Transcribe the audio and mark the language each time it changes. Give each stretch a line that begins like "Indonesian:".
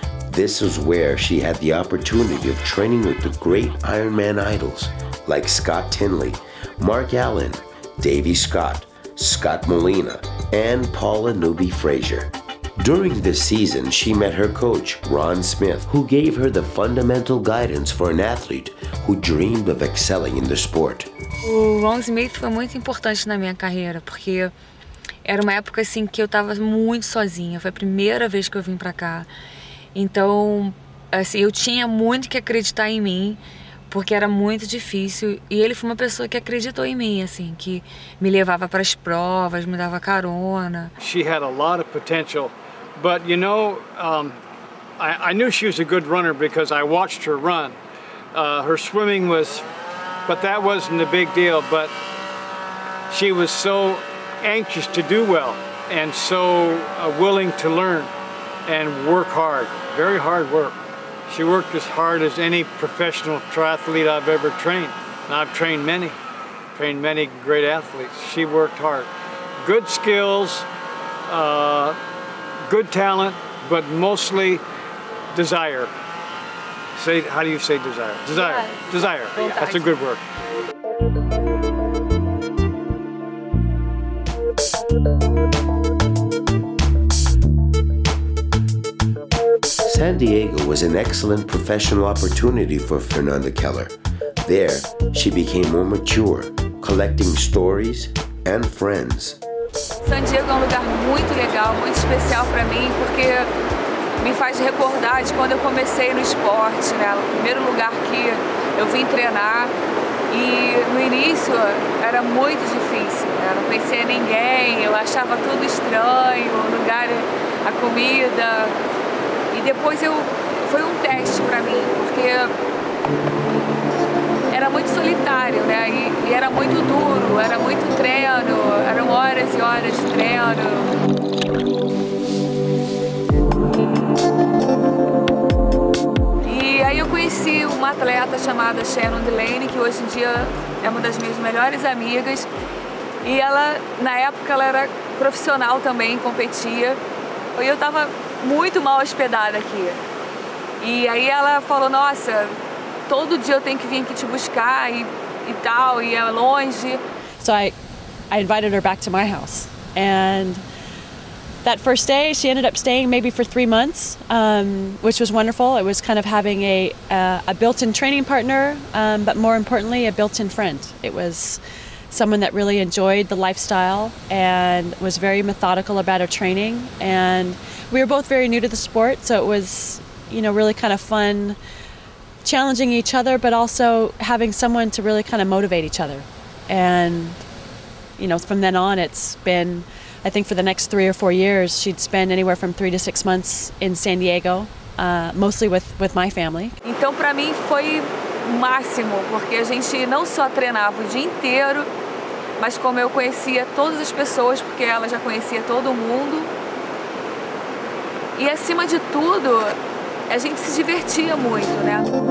English: This is where she had the opportunity of training with the great Ironman idols, like Scott Tinley, Mark Allen, Davy Scott, Scott Molina, and Paula Newby Frazier. During this season, she met her coach, Ron Smith, who gave her the fundamental guidance for an athlete who dreamed of excelling in the sport.
Portuguese: O Ron Smith foi muito importante na minha carreira, porque era uma época assim que eu estava muito sozinha. Foi a primeira vez que eu vim para cá. Então, assim, eu tinha muito que acreditar em mim, porque era muito difícil, e ele foi uma pessoa que acreditou em mim, assim, que me levava para as provas, me dava carona.
English: She had a lot of potential, but you know, I knew she was a good runner because I watched her run. Her swimming was, but that wasn't a big deal, but she was so anxious to do well and so willing to learn and work hard, very hard work. She worked as hard as any professional triathlete I've ever trained. And I've trained many great athletes. She worked hard. Good skills, good talent, but mostly desire. Say, how do you say desire? Desire, yes. Desire. That's a good word. San Diego was an excellent professional opportunity for Fernanda Keller. There, she became more mature, collecting stories and friends.
Portuguese: San Diego é um lugar muito legal, muito especial para mim, porque me faz recordar de quando eu comecei no esporte, né? O primeiro lugar que eu vim treinar. E no início era muito difícil, né? Eu não conhecia ninguém, eu achava tudo estranho, o lugar, a comida. E depois foi um teste para mim, porque era muito solitário, né? E era muito duro, era muito treino, eram horas e horas de treino. Conheci uma atleta chamada Sharon Delaney, que hoje em dia é uma das minhas melhores amigas. E ela, na época, ela era profissional também, competia. E eu estava muito mal hospedada aqui. E aí ela falou, nossa, todo dia eu tenho que vir aqui te buscar e tal, e é longe.
English: So I invited her back to my house. And that first day, she ended up staying maybe for 3 months, which was wonderful. It was kind of having a built-in training partner, but more importantly, a built-in friend. It was someone that really enjoyed the lifestyle and was very methodical about her training. And we were both very new to the sport, so it was, you know, really kind of fun challenging each other, but also having someone to really kind of motivate each other. And, you know, from then on, it's been, I think for the next 3 or 4 years, she'd spend anywhere from 3 to 6 months in San Diego, mostly with my family.
Portuguese: Então, para mim, foi o máximo, porque a gente não só treinava o dia inteiro, mas como eu conhecia todas as pessoas, porque ela já conhecia todo mundo. E, acima de tudo, a gente se divertia muito, né?